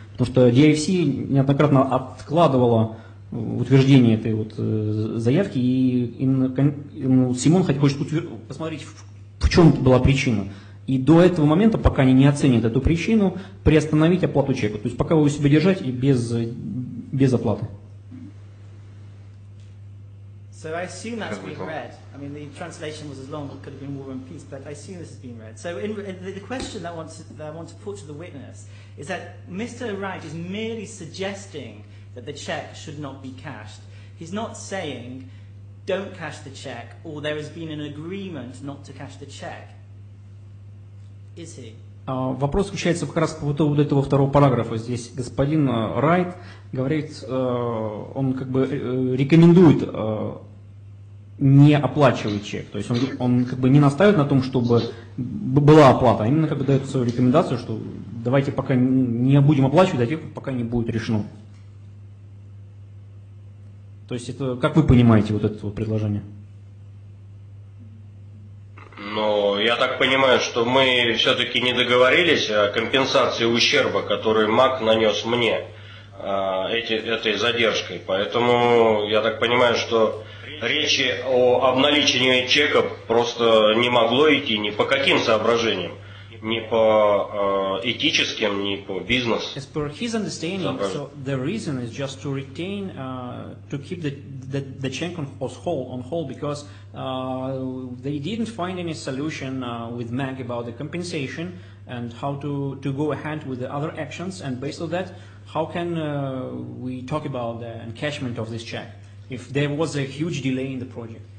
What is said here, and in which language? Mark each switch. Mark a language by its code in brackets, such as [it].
[ru] Потому что DIFC неоднократно откладывала утверждение этой вот заявки. И именно Симон хочет посмотреть, в чем была причина. И до этого момента, пока они не оценят эту причину, приостановить оплату чека. То есть пока вы у себя держать и без оплаты. [en] So I assume that's been read. I mean, the translation was as long, it could have been War and Peace, but I assume this has been read. So the question that I want to put to the witness is that Mr. Wright is merely suggesting that the check should not be cashed. He's not saying, don't cash the check, or there has been an agreement not to cash the check. Is he? [ru] Вопрос заключается как раз вот у этого второго параграфа. Здесь господин Райт говорит, он как бы рекомендует не оплачивать чек. То есть он как бы не настаивает на том, чтобы была оплата, а именно как бы дает свою рекомендацию, что давайте пока не будем оплачивать, до тех пор, пока не будет решено. То есть это как вы понимаете вот это вот предложение? Но я так понимаю, что мы все-таки не договорились о компенсации ущерба, который МАК нанес мне этой задержкой. Поэтому я так понимаю, что речи о обналичении чека просто не могло идти ни по каким соображениям. Ни по этическим, ни по бизнес. [en] As per his understanding, so the reason is just to retain, to keep the check on hold because they didn't find any solution with MAG about the compensation and how to go ahead with the other actions, and based on that, how can we talk about the encashment of this check if there was a huge delay in the project?